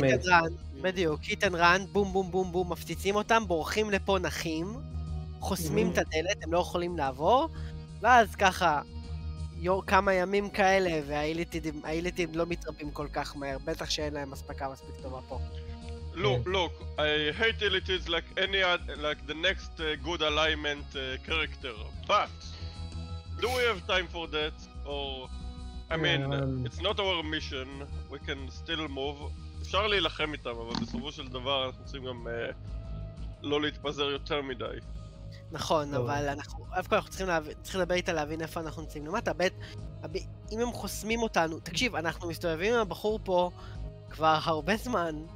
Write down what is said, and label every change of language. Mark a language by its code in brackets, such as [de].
[he] כן, hit and run, בדיוק, hit and run, בום בום בום בום, מפציצים אותם, בורחים לפה נחים, חוסמים את הדלת, הם לא יכולים לעבור, ואז ככה... כמה ימים כאלה, והאיליטים לא מתרבים כל כך מהר, בטח שאין להם מספקה מספיק טובה פה. [en] Look, I hate Elites like any like the next good alignment character, but do we have time for that? Or, I mean, it's not our mission, we can still move. [he] אפשר להילחם איתם, אבל בסופו של דבר אנחנו רוצים גם לא להתפזר יותר מדי. נכון, אבל אנחנו צריכים לדבר איתה להבין איפה אנחנו נמצאים. למטה, אם הם חוסמים אותנו, תקשיב, אנחנו מסתובבים עם הבחור פה כבר הרבה זמן,